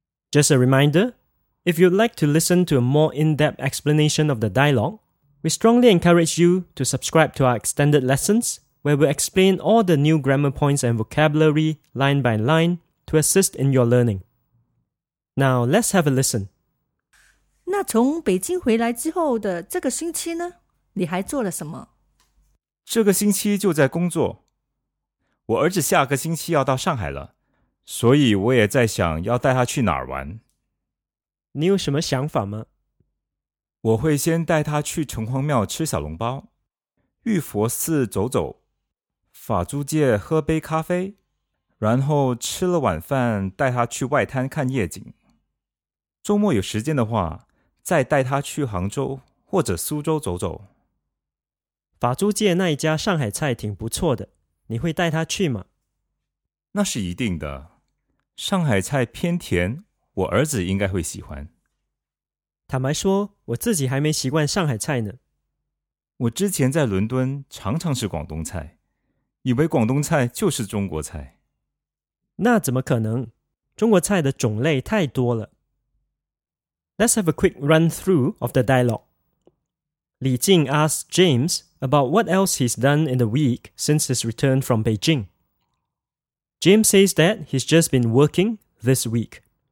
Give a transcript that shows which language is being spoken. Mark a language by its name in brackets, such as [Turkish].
[English] Just a reminder, if you'd like to listen to a more in-depth explanation of the dialogue, we strongly encourage you to subscribe to our extended lessons where we'll explain all the new grammar points and vocabulary line by line to assist in your learning. Now, let's have a listen. [Chinese] 那从北京回来之后的这个星期呢，你还做了什么？这个星期就在工作。我儿子下个星期要到上海了，所以我也在想要带他去哪儿玩。你有什么想法吗？我会先带他去城隍庙吃小笼包，玉佛寺走走，法租界喝杯咖啡，然后吃了晚饭带他去外滩看夜景。周末有时间的话，再带他去杭州或者苏州走走。法租界那一家上海菜挺不错的，你会带他去吗？那是一定的，上海菜偏甜，我儿子应该会喜欢。坦白说，我自己还没习惯上海菜呢。我之前在伦敦常常吃广东菜，以为广东菜就是中国菜。那怎么可能？中国菜的种类太多了。 [English] Let's have a quick run-through of the dialogue. Li Jing asks James about what else he's done in the week since his return from Beijing. James says that he's just been working this week.